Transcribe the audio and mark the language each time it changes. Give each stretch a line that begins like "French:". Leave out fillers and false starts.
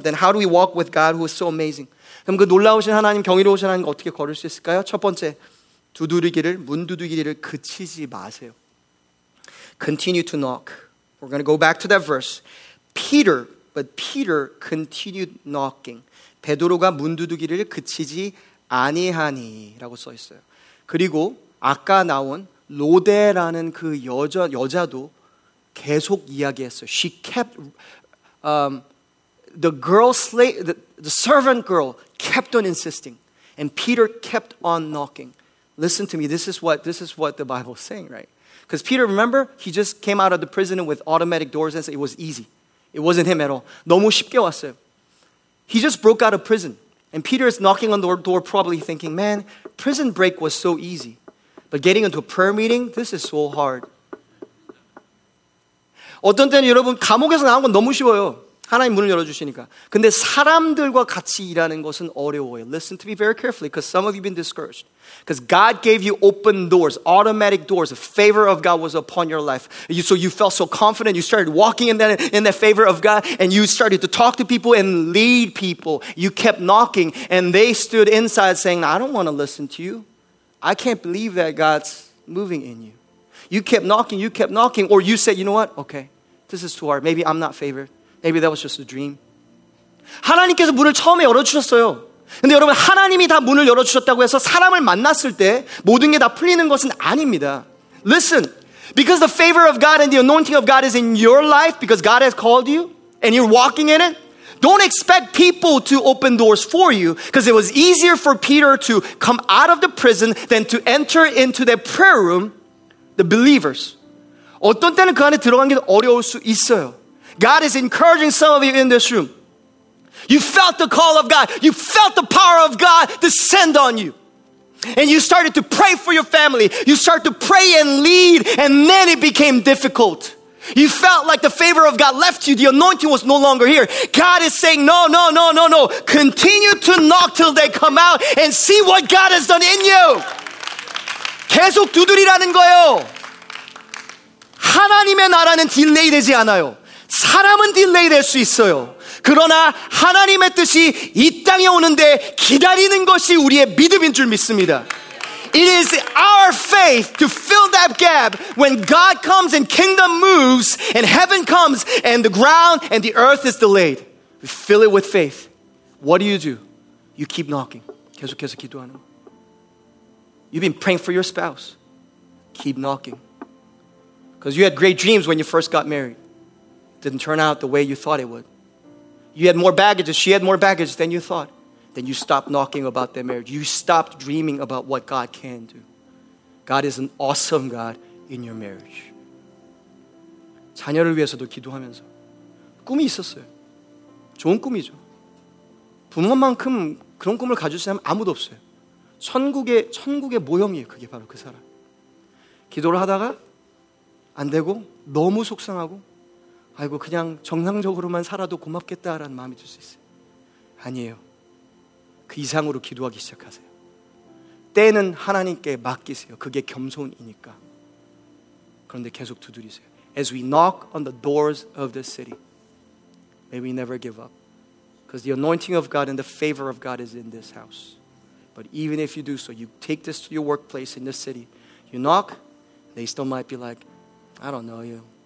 English: Then how do we walk with God who is so amazing?
Korean: 그럼 그 놀라우신 하나님, 경이로우신 하나님 어떻게 걸을 수 있을까요? 첫 번째, 두드리기를, 문두드리기를 그치지 마세요.
English: Continue to knock. We're going to go back to that verse. Peter continued knocking.
Korean: 베드로가 문두드기를 그치지 아니하니 라고 써 있어요. 그리고 아까 나온 로데라는 그 여자도 계속 이야기했어요.
English: She kept the girl slave, the servant girl kept on insisting, and Peter kept on knocking. Listen to me. This is what the Bible is saying, right? Because Peter, remember, he just came out of the prison with automatic doors, and so it was easy. It wasn't him at all.
Korean: 너무 쉽게 왔어요.
English: He just broke out of prison, and Peter is knocking on the door, probably thinking, "Man, prison break was so easy, but getting into a prayer meeting, this is so hard."
Korean: 어떤 때는 여러분 감옥에서 나온 건 너무 쉬워요. 하나님 문을 열어주시니까. 근데 사람들과 같이 일하는 것은 어려워요.
English: Listen to me very carefully because some of you have been discouraged. Because God gave you open doors, automatic doors. The favor of God was upon your life. So you felt so confident. You started walking in the favor of God. And you started to talk to people and lead people. You kept knocking. And they stood inside saying, I don't want to listen to you. I can't believe that God's moving in you. You kept knocking, or you said, you know what? Okay, this is too hard. Maybe I'm not favored. Maybe that was just a dream.
Korean: 하나님께서 문을 처음에 열어주셨어요. 근데 여러분, 하나님이 다 문을 열어주셨다고 해서 사람을 만났을 때 모든 게 다 풀리는 것은 아닙니다.
English: Listen, because the favor of God and the anointing of God is in your life, because God has called you, and you're walking in it, don't expect people to open doors for you, because it was easier for Peter to come out of the prison than to enter into the prayer room. The believers.
Korean: 어떤 때는 그 안에 들어간 게 어려울 수 있어요.
English: God is encouraging some of you in this room. You felt the call of God. You felt the power of God descend on you. And you started to pray for your family. You started to pray and lead. And then it became difficult. You felt like the favor of God left you. The anointing was no longer here. God is saying, no, no, no, no, no. Continue to knock till they come out and see what God has done in you.
Korean: 계속 두드리라는 거예요. 하나님의 나라는 딜레이 되지 않아요. 사람은 딜레이 될 수 있어요. 그러나 하나님의 뜻이 이 땅에 오는데 기다리는 것이 우리의 믿음인 줄 믿습니다.
English: It is our faith to fill that gap when God comes and kingdom moves and heaven comes and the ground and the earth is delayed. We fill it with faith. What do? You keep knocking.
Korean: 계속해서 기도하는 거.
English: You've been praying for your spouse. Keep knocking. Because you had great dreams when you first got married. Didn't turn out the way you thought it would. You had more baggages. She had more baggage than you thought. Then you stopped knocking about their marriage. You stopped dreaming about what God can do. God is an awesome God in your marriage.
Korean: 자녀를 위해서도 기도하면서 꿈이 있었어요. 좋은 꿈이죠. 부모만큼 그런 꿈을 가질 사람 아무도 없어요. 천국의 모형이에요. 그게 바로 그 사람. 기도를 하다가 안 되고 너무 속상하고 아이고 그냥 정상적으로만 살아도 고맙겠다라는 마음이 들 수 있어요. 아니에요. 그 이상으로 기도하기 시작하세요. 때는 하나님께 맡기세요. 그게 겸손이니까. 그런데 계속 두드리세요.
English: As we knock on the doors of the city, may we never give up. Because the anointing of God and the favor of God is in this house. But even if you do so, you take this to your workplace in the city, you knock, they still might be like, I don't know you.